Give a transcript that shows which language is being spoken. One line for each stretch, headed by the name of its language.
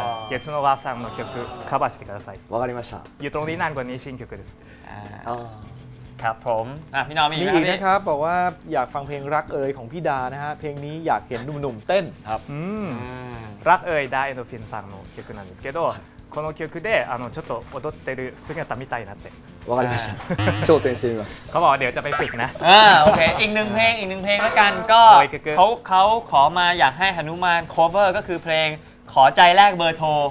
Japanese: Getsunowa さんの曲カバーしてください。わかりました。
Thai: อยู่ตรงนี้นานกว่านี้
Japanese: 新曲です。
Thai: ครับผมพี่น้องมี อีกไหมครับบอกว่าอยากฟังเพลงรักเอ๋ยของพี่ดานะฮะเพลงนี้อยากเห็นหนุ่มๆเต้น ครับ รักเอ๋ยได้
Japanese: Endorphin さんの曲なんですけどこの曲でちょっと踊ってる姿みたいなってわかりました挑戦してみます
Thai: เขาบอกว่าเดี๋ยวจะไปฝึกนะ โอเคอีกหนึ่งเพลงอีกหนึ่งเพลงแล้วกันก็เขาขอมาอยากให้หนุมาน cover ก็คือเพลงขอใจแลกเบอร์โทร